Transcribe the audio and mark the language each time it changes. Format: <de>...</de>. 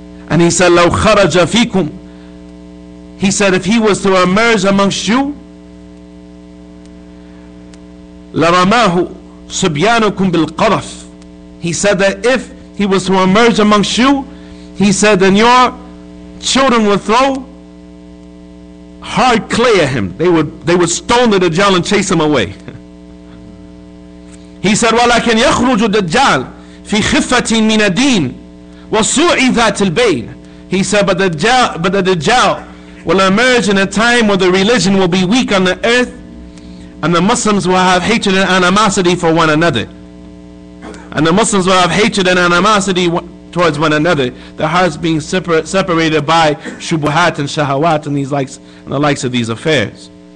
<en>And he said,</en> <ar>لَوْ خَرَجَ فِيكُمْ.</ar> <en>He said, if he was to emerge amongst you,</en> <ar>لَرَمَاهُ سُبْيَانُكُمْ بِالْقَرَفِ.</ar> <en>He said that if he was to emerge amongst you, he said, then your children would throw hard clay at him. They would stone the Dajjal and chase him away. He said,</en> <ar>وَلَكِنْ يَخْرُجُ الدَّجَّالِ فِي خِفَّةٍ مِنَ الدِّينِ وَسُوعِ ذَاتِ الْبَيْنِ.</ar> <en>He said, but the Dajjal will emerge in a time where the religion will be weak on the earth, and the Muslims will have hatred and animosity for one another. And the Muslims will have hatred and animosity towards one another. Their hearts being separated by shubuhat and shahawat and these likes and the likes of these affairs.</en>